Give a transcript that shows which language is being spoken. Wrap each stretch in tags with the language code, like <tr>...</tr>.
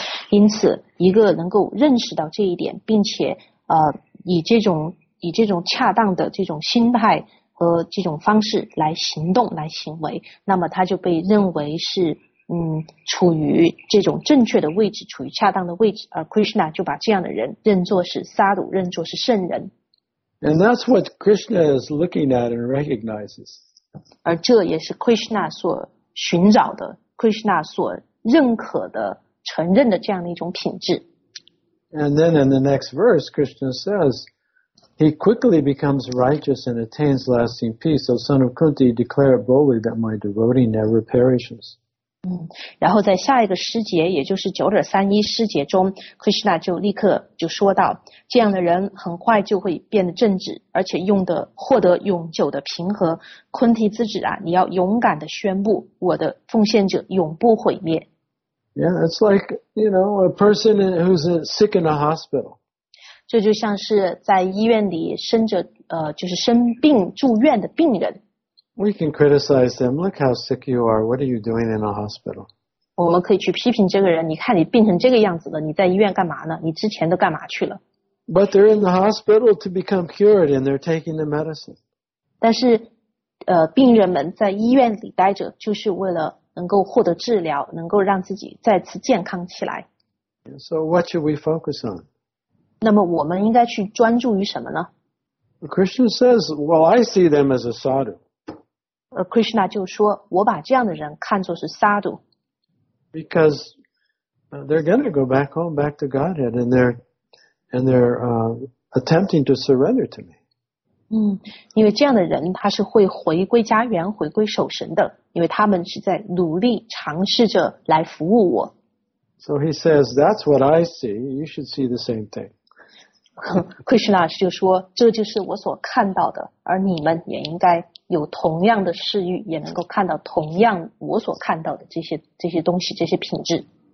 <zh>因此一个能够认识到这一点，并且以这种恰当的这种心态和这种方式来行动来行为，那么他就被认为是处于这种正确的位置，处于恰当的位置，而 Krishna 就把这样的人认作是 sadhu， 认作是圣人。</zh> <en>And that's what Krishna is looking at and recognizes.</en> <zh>而这也是 Krishna 所寻找的 ，Krishna 所认可的、承认的这样的一种品质。</zh> <en>And then in the next verse, Krishna says, "He quickly becomes righteous and attains lasting peace." So, son of Kunti, declare boldly that my devotee never perishes.</en> <zh>然后在下一个诗节，也就是九点三一诗节中 ，Krishna 就立刻就说到，这样的人很快就会变得正直，而且用的获得永久的平和。 Kunti 自己啊，你要勇敢的宣布，我的奉献者永不毁灭。</zh> <en>Yeah, it's like, you know, a person who's sick in a hospital.</en> <zh>这就像是在医院里生着就是生病住院的病人。</zh> <en>We can criticize them. Look how sick you are. What are you doing in a hospital?</en> <zh>我们可以去批评这个人。你看你病成这个样子了，你在医院干嘛呢？你之前都干嘛去了？</zh> <en>But they're in the hospital to become cured and they're taking the medicine.</en> <zh>但是病人们在医院里待着就是为了能够获得治疗，能够让自己再次健康起来。</zh> <en>So what should we focus on?</en> <zh>那么我们应该去专注于什么呢？</zh> <en>Krishna says, well, I see them as a sadhu.</en> <zh>Krishna 就说，我把这样的人看作是 sadhu.</zh> <en>Because they're going to go back home, back to Godhead, and they're attempting to surrender to me.</en> <zh>因为这样的人他是会回归家园，回归守神的。因为他们是在努力尝试着来服务我。</zh> <en>So he says, that's what I see. You should see the same thing.</en> <zh>Krishna 就说，这就是我所看到的，而你们也应该有同样的视域，也能够看到同样我所看到的这些东西，这些品质。</zh>